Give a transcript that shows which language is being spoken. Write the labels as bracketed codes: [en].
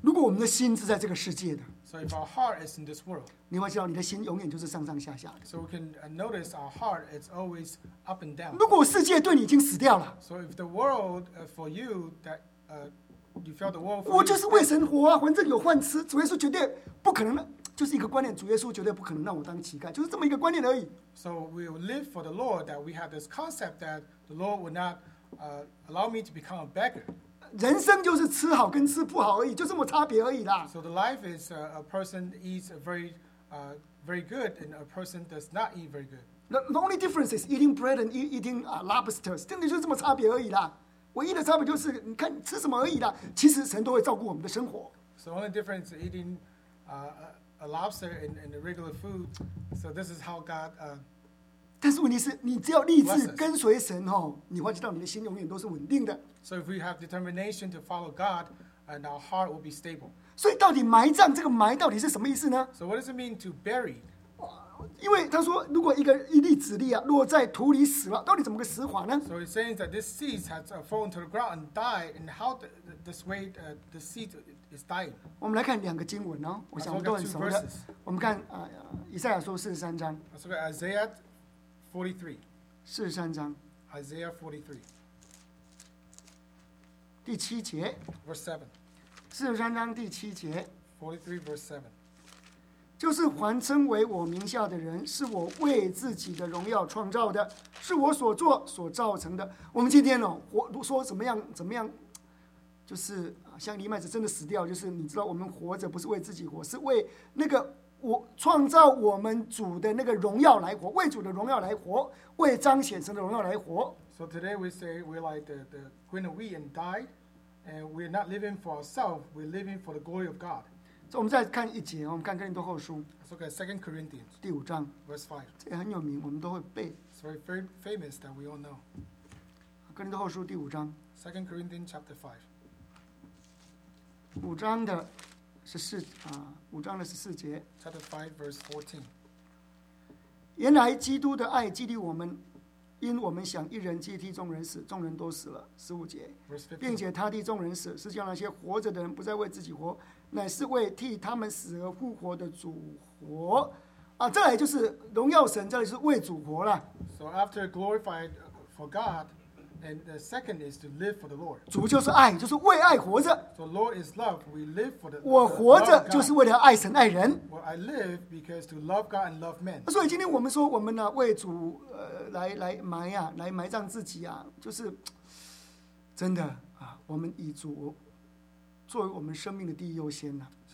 [zh] 如果我们的心是在这个世界的 [en] ，So if our heart is in this world, [zh] 你会知道你的心永远就是上上下下的。 [en] So we can notice our heart is always up and down. [zh] 如果世界对你已经死掉了 [en] ，So if the world for you that you felt the world for [zh] 我就是为神活啊，反正有饭吃，主耶稣绝对不可能的。就是一个观念，主耶稣绝对不可能让我当乞丐，就是这么一个观念而已。 [en] So we live for the Lord that we have this concept that the Lord will not allow me to become a beggar. [zh] 人生就是吃好跟吃不好而已，就这么差别而已啦。 [en] So the life is a person eats very good and a person does not eat very good. The only difference is eating bread and eating lobsters. [zh] 真的就这么差别而已啦。唯一的差别就是你看吃什么而已啦。其实神都会照顾我们的生活。 [en] So only difference is eating a lobster and the regular food. So this is how God [zh] 但是问题是，你只要立志跟随神哦，你会知道你的心永远都是稳定的。 [en] So if we have determination to follow God, and our heart will be stable. [zh] 所以到底埋葬这个埋到底是什么意思呢 [en] ？So what does it mean to bury? [zh] 因为他说，如果一粒籽粒啊落在土里死了，到底怎么个死法呢 [en] ？So he says that this seed has fallen to the ground and died, and how this way the seed is dying. [zh] 我们来看两个经文哦，我想我们都很熟的。我们看啊，以赛亚书四十三章。 [en] Let's look at Isaiah 43. [zh] 四十三章。 [en] Isaiah 43. [zh] 第七节。 [en] Verse [zh] 7. 四十三章第七节。 [en] 43 verse 7. [zh] 就是凡称为我名下的人，是我为自己的荣耀创造的，是我所做所造成的。我们今天哦，活说怎么样，就是像藜麦子真的死掉，就是你知道，我们活着不是为自己活，是为那个我创造我们主的那个荣耀来活，为主的荣耀来活，为彰显神的荣耀来活。 [en] So today we say we like the grain of wheat and die, and we're not living for ourselves, we're living for the glory of God. [zh] 我们再看一节，我们看哥林多后书。 [en] Let's look at Second Corinthians, [zh] 第五章 [en] verse 5. [zh] 这很有名，我们都会背。 [en] It's very famous that we all know. [zh] 哥林多后书第五章。 [en] Second Corinthians chapter 5. [zh] 五章的十四啊，五章的十四节。 [en] Chapter 5 verse 14. [zh] 原来基督的爱激励我们。因我们想一人接替众人死，众人都死了。十五节，并且他替众人死，是叫那些活着的人不再为自己活，乃是为替他们死而复活的主活。啊，再来就是荣耀神，再来是为主活了。 [en] So after glorified for God, and the second is to live for the Lord. [zh] 主就是爱，就是为爱活着。 [en] So Lord is love. We live for the. [zh] 我活着就是为了爱神爱人。 [en] Well, I live because to love God and love men. [zh] 所以今天我们说，我们呢、啊、为主。来埋呀、啊，来埋葬自己啊！就是真的啊，我们以主作为我们生命的第一优先呐、啊。